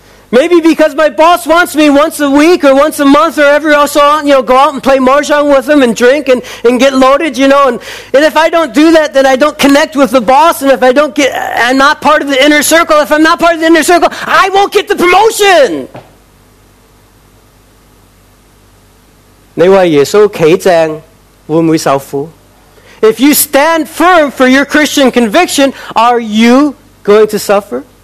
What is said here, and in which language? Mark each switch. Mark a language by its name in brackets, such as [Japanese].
[English] Maybe because my boss wants me once a week or once a month or every so on, you know, go out and play mahjong with him and drink and get loaded, you know. And if I don't do that, then I don't connect with the boss. And if I don't get, I'm not part of the inner circle. If I'm not part of the inner circle, I won't get the promotion. [Chinese] 你为耶稣站正，会不会受苦? [English] If you stand firm for your Christian conviction, are you going to suffer?